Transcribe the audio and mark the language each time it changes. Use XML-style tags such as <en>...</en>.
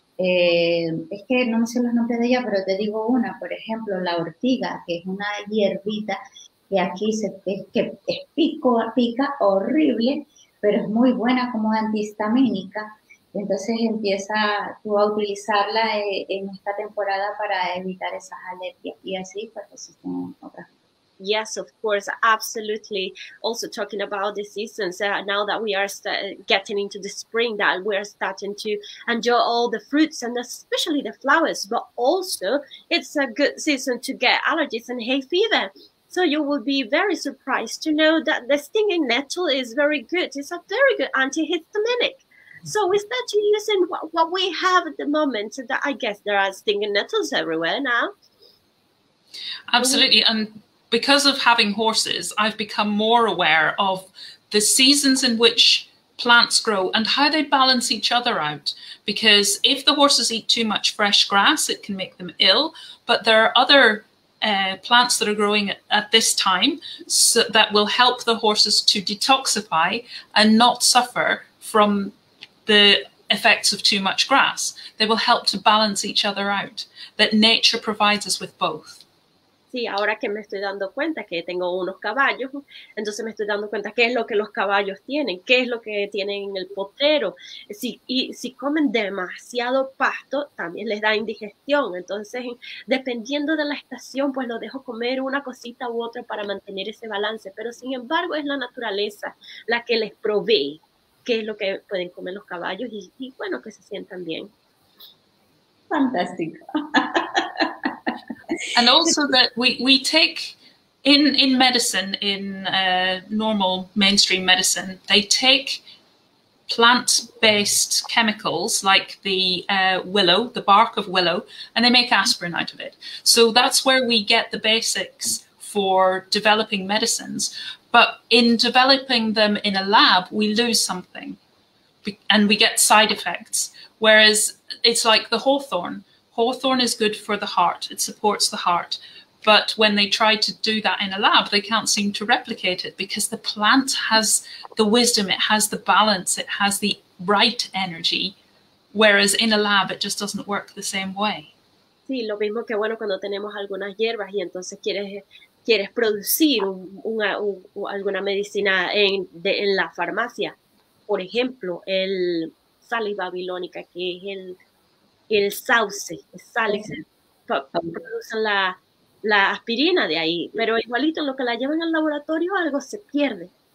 <es>Es que no me sé los nombres de ella, pero te digo una, por ejemplo, la ortiga, que es una hierbita que aquí que es pica horrible, pero es muy buena como antihistamínica. Entonces empieza tú a utilizarla en esta temporada para evitar esas alergias y así pues existen otras.</es> <en>Yes, of course, absolutely. Also talking about the seasons, now that we are getting into the spring, that we're starting to enjoy all the fruits and especially the flowers, but also it's a good season to get allergies and hay fever. So you will be very surprised to know that the stinging nettle is very good. It's a very good antihistaminic. So we start to using what we have at the moment, that I guess there are stinging nettles everywhere now. Absolutely. And because of having horses, I've become more aware of the seasons in which plants grow and how they balance each other out. Because if the horses eat too much fresh grass, it can make them ill. But there are other plants that are growing at this time so that will help the horses to detoxify and not suffer from the effects of too much grass. They will help to balance each other out, that nature provides us with both.</en> <es>Sí, ahora que me estoy dando cuenta que tengo unos caballos, entonces me estoy dando cuenta qué es lo que los caballos tienen, qué es lo que tienen en el potrero. Si comen demasiado pasto, también les da indigestión. Entonces, dependiendo de la estación, pues lo dejo comer una cosita u otra para mantener ese balance. Pero sin embargo, es la naturaleza la que les provee qué es lo que pueden comer los caballos y bueno, que se sientan bien. Fantástico.</es> <en>And also that we take in medicine, in normal mainstream medicine, they take plant-based chemicals like the willow, the bark of willow, and they make aspirin out of it. So that's where we get the basics for developing medicines. But in developing them in a lab, we lose something and we get side effects. Whereas it's like the hawthorn. Hawthorn is good for the heart, it supports the heart. But when they try to do that in a lab, they can't seem to replicate it because the plant has the wisdom, it has the balance, it has the right energy. Whereas in a lab, it just doesn't work the same way.</en> <es>Sí, lo mismo que bueno cuando tenemos algunas hierbas y entonces quieres producir alguna medicina en la farmacia. Por ejemplo, el salix babilónica, que es el sauce, el salix, producen la aspirina de ahí, pero igualito en lo que la llevan al laboratorio algo se pierde.</es>